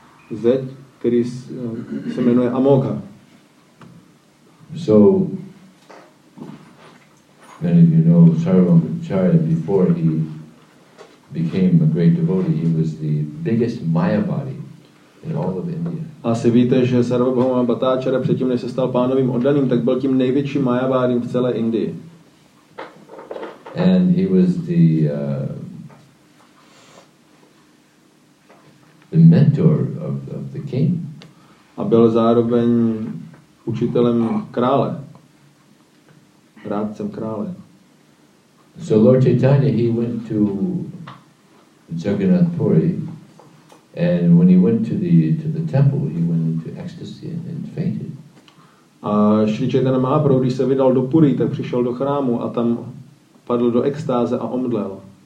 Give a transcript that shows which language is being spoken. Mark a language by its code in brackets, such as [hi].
[cs] Zeď, který se jmenuje Amoga. [en] So many of you know Sarvabhauma Bhattacharya, before he became a great devotee, he was the biggest Mayavadi in all of India. [cs] Asi víte, že Sarvabhauma Bhattacharya předtím, než se stal pánovým oddaným, tak byl tím největším Mayavadim v celé Indii. [en] And he was the mentor of the king. [cs] A byl zároveň učitelem krále. Rádcem krále. [en] So Lord Chaitanya, he went to Jagannath Puri. And when he went to the temple, he went into ecstasy and fainted. [cs] A Shri Chaitanya Mahaprabhu, když se vydal do Puri, tak přišel do chrámu a tam padl do extáze a omdlel.